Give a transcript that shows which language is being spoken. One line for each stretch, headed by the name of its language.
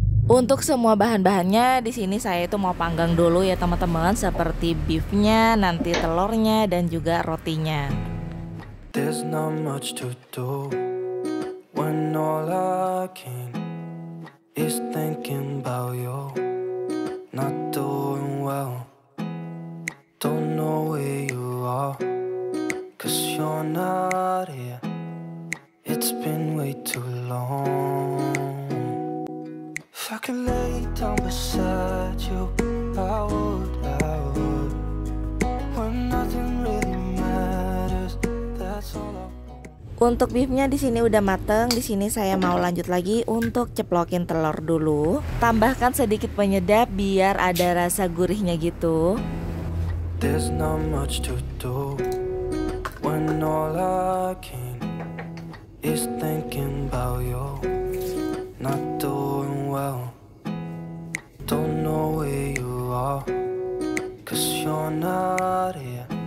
Indonesian: Untuk semua bahan-bahannya di sini saya itu mau panggang dulu ya teman-teman, seperti beefnya, nanti telurnya, dan juga rotinya.
English: There's not much to do when all I can is thinking about you. Not doing well. Don't know where you are, 'cause you're not here. It's been way too long. If I could lay down beside you, I would, I would. When nothing really matters, that's all I want.
Indonesian: Untuk beefnya di sini udah mateng. Di sini saya mau lanjut lagi untuk ceplokin telur dulu. Tambahkan sedikit penyedap biar ada rasa gurihnya gitu.
English: There's not much to do when all I can is thinking about you. Not doing well. Don't know where you are, 'cause you're not here.